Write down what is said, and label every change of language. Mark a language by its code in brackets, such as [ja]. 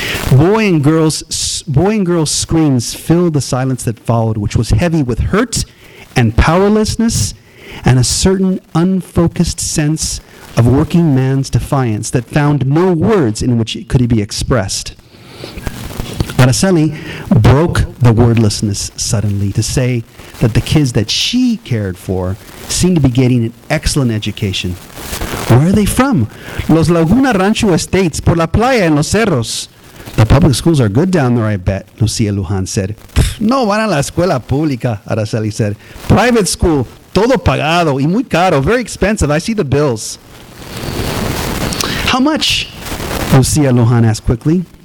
[en] Boy and girl screams filled the silence that followed, which was heavy with hurt and powerlessness and a certain unfocused sense of working man's defiance that found no words in which it could be expressed. Araceli broke the wordlessness suddenly to say that the kids that she cared for seemed to be getting an excellent education. "Where are they from?" [es] "Los Laguna Rancho Estates, por la playa en los cerros." [en] "The public schools are good down there, I bet," Lucia Lujan said. [es] "No van a la escuela pública," [en] Araceli said. "Private school, [es] todo pagado y muy caro, [en] very expensive. I see the bills." "How much?" Lucia Lujan asked quickly.